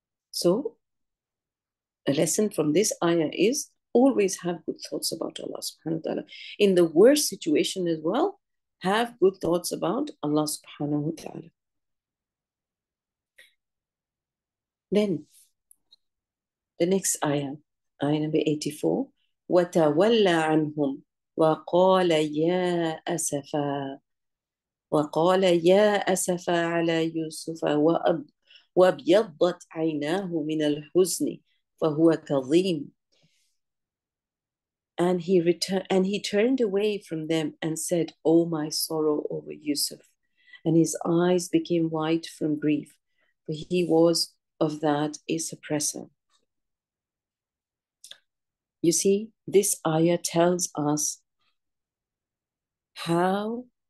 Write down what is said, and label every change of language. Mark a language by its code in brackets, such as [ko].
[en] So a lesson from this ayah is always have good thoughts about Allah subhanahu wa ta'ala. In the worst situation as well, have good thoughts about Allah subhanahu wa ta'ala. Then the next ayah, ayah number 84, [ar] وَتَوَلَّ عَنْهُمْ وَقَالَ يَا أَسَفَى عَلَى يُوسُفَ وَابْيَضَّتْ عَيْنَاهُ مِنَ الْحُزْنِ فَهُوَ كَظِيمٌ. [en] And he returned and he turned away from them and said, "Oh, my sorrow over Yusuf," and his eyes became white from grief, for he was of that a suppressor. You see, this ayah tells us how